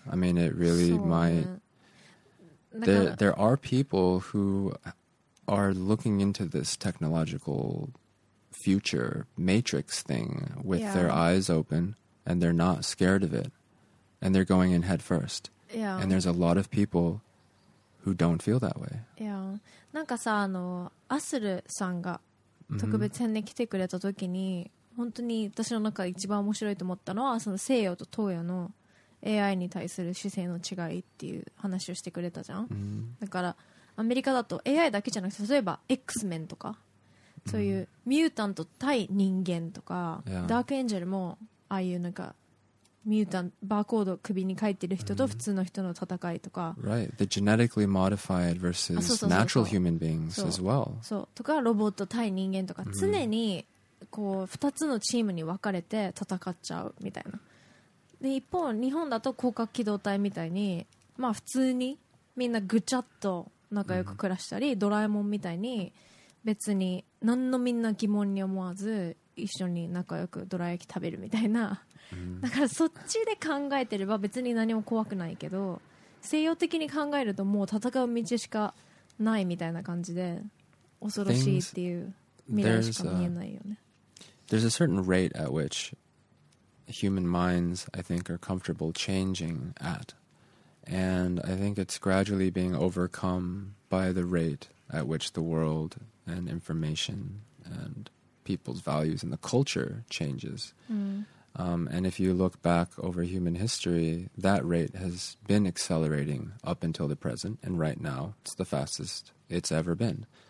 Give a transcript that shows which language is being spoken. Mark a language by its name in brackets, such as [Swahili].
[English] I mean, it really might. There are people who are looking into this technological future matrix thing with their eyes open and they're not scared of it. And they're going in head first. Yeah. And there's a lot of people who don't feel that way. Yeah. [Japanese] なんかさ、あの、アスルさんが特別編で来てくれた時に、本当に私の中で一番面白いと思ったのは、その西洋と東洋の AI に対する姿勢の違いっていう話をしてくれたじゃん。だから、アメリカだと AI だけじゃなくて、例えば X-Men とか、そういうミュータント対人間とか、ダークエンジェルもああいうなんか、ミュータンバーコード首に書いてる人と普通の人の戦いとか、 [English] right the genetically modified versus natural human beings as well、 [Japanese] そうとかロボット対人間とか常にこう二つのチームに分かれて戦っちゃうみたいな。で一方日本だと攻殻機動隊みたいにまあ普通にみんなぐちゃっと仲良く暮らしたり、ドラえもんみたいに別に何のみんな疑問に思わず一緒に仲良くドラ焼き食べるみたいな。だからそっちで考えてれば別に何も怖くないけど、西洋的に考えるともう戦う道しかないみたいな感じで恐ろしいっていう未来しか見えないよね。 [English] There's a certain rate at which human minds I think are comfortable changing at, and I think it's gradually being overcome by the rate at which the world and information and people's values and the culture changes、and if you look back over human history, that rate has been accelerating up until the present, and right now it's the fastest it's ever been.